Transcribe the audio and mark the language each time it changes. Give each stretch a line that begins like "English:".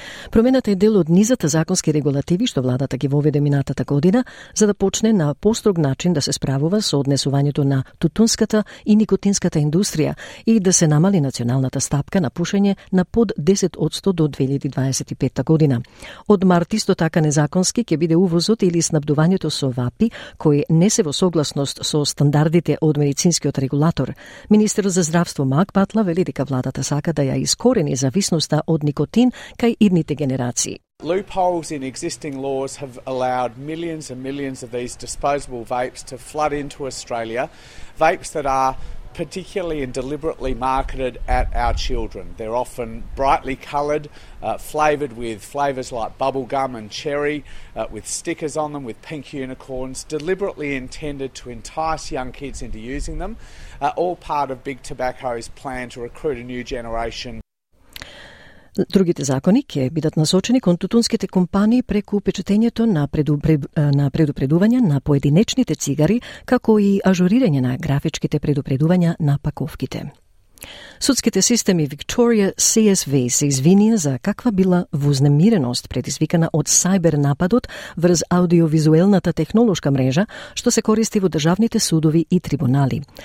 Macedonian: Промената е дел од низата законски регулативи што владата ги воведе минатата година за да почне на построг начин да се справува со однесувањето на тутунската и никотинската индустрија и да се намали националната стапка на пушење на под 10% до 2025 година. Од март исто така незаконски ќе биде увозот или снабдувањето со вапи кои не се во согласност со стандардите од медицинскиот регулатор. Министерот за здравство Марк Батла вели дека владата сака да ја искорени зависноста од никотин идните генерации.
English: Loopholes in existing laws have allowed millions and millions of these disposable vapes to flood into Australia, vapes that are particularly and deliberately marketed at our children. They're often brightly coloured, flavoured with flavours like bubblegum and cherry, with stickers on them, with pink unicorns, deliberately intended to entice young kids into using them, all part of Big Tobacco's plan to recruit a new generation.
Macedonian: Другите закони ќе бидат насочени кон тутунските компании преку печатењето на, на предупредувања на поединечните цигари, како и ажурирање на графичките предупредувања на паковките. Судските системи Victoria CSV се извинија за каква била вознемиреност предизвикана од сајбер нападот врз аудиовизуелната технолошка мрежа што се користи во државните судови и трибунали.